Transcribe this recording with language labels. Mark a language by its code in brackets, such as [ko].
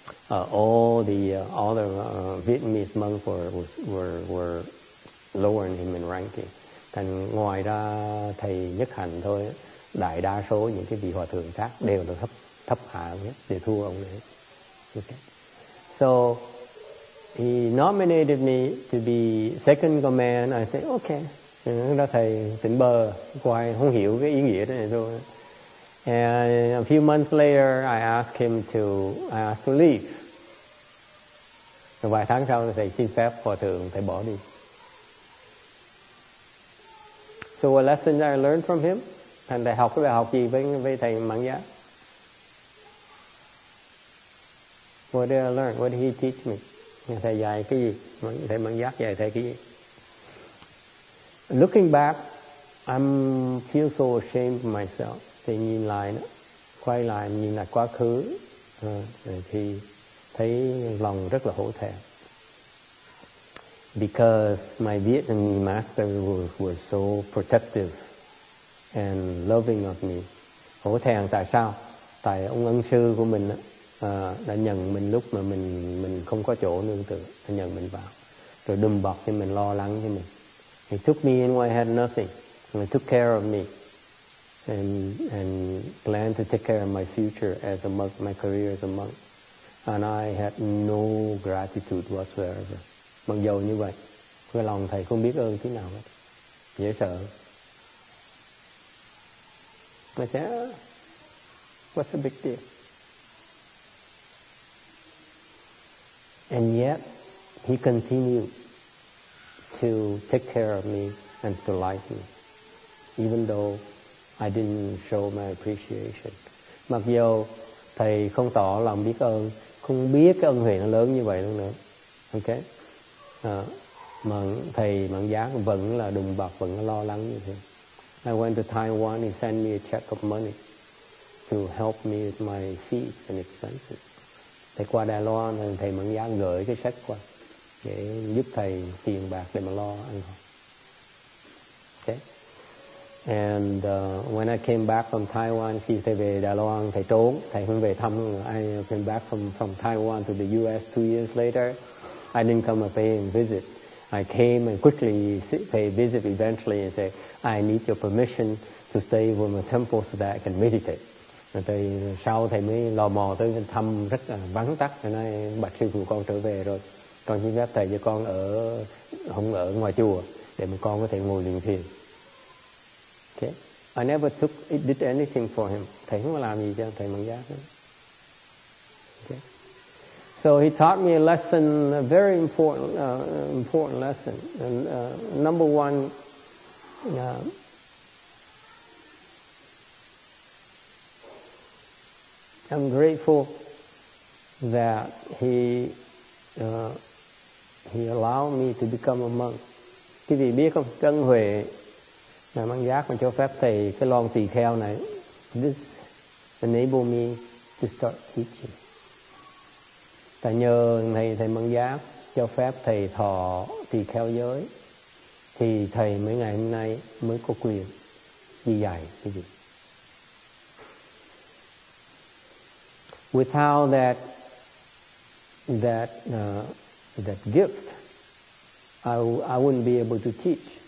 [en] All the Vietnamese monks were lowering him in ranking. [vi] Thành ngoài ra thầy Nhất Hạnh thôi, đại đa số những cái vị hòa thượng khác đều là thấp hạ nhất, để thua ông đấy. Okay. [en] So he nominated me to be second command. I said okay. [vi] Đó thầy tỉnh bơ, quay không hiểu cái ý nghĩa này thôi. [en] And a few months later, I asked to leave. [vi] Rồi vài tháng sau thầy xin phép hòa thượng, thầy bỏ đi. [en] So a lesson I learned from him, [vi] thành đại học cái bài học gì với thầy Mạng Giác? [en] What did I learn? What did he teach me? [vi] Thầy dạy cái gì? Thầy Mạng Giác dạy thầy cái gì? [en] Looking back, I feel so ashamed of myself. [vi] Thì nhìn lại, quay lại, nhìn lại quá khứ, thì thấy lòng rất là hổ thẹn. [en] Because my Vietnamese master was so protective and loving of me. [vi] Hổ thẹn tại sao? Tại ông ân sư của mình đã nhận mình lúc mà mình không có chỗ nương tựa, đã nhận mình vào. Rồi đùm bọc cho mình, lo lắng cho mình. [en] He took me in when I had nothing. He took care of me and planned to take care of my future as a monk, my career as a monk. And I had no gratitude whatsoever. [vi] Mặc dù như vậy, cái lòng thầy không biết ơn thế nào hết. Dễ sợ. Mà sẽ, [en] what's the big deal? And yet, he continued to take care of me and to like me, even though I didn't show my appreciation. [vi] Mặc dù thầy không tỏ lòng biết ơn, không biết cái ân huệ nó lớn như vậy luôn nữa. Okay? Mà thầy Mạng Giác vẫn là đùm bọc, vẫn là lo lắng như thế. [en] I went to Taiwan, he sent me a check of money to help me with my fees and expenses. [vi] Thầy qua Đài Loan, thầy Mạng Giác gửi cái check qua để giúp thầy tiền bạc để mà lo ăn học. Okay. [en] And when I came back from Taiwan, [vi] khi thầy về Đài Loan, thầy trốn, thầy không về thăm. [en] I came back from Taiwan to the U.S. 2 years later. I didn't come and pay him visit. I came and quickly pay visit eventually and say, I need your permission to stay with my temple so that I can meditate. [vi] Rồi thầy sau thầy mới lò mò tới thăm rất là vắng tắt. Rồi nói bạch sư phụ con trở về rồi. Con xin phép thầy cho con ở không ở ngoài chùa để mà con có thể ngồi luyện thiền. [en] Okay. I never did anything for him. [vi] Thầy không có làm gì cho thầy Mạng Giác. [en] Okay. So he taught me a lesson, a very important lesson. And number one, I'm grateful that he allowed me to become a monk. [vi] Quý vị biết không, cái ân huệ mà Mạng Giác mà cho phép thầy cái lon tỳ kheo này, [en] this enabled me to start teaching. [vi] Tại nhờ thầy Mạng Giác cho phép thầy thọ tỳ kheo giới, thì thầy mấy ngày hôm nay mới có quyền đi dạy cái gì. [en] Without that gift, I wouldn't be able to teach.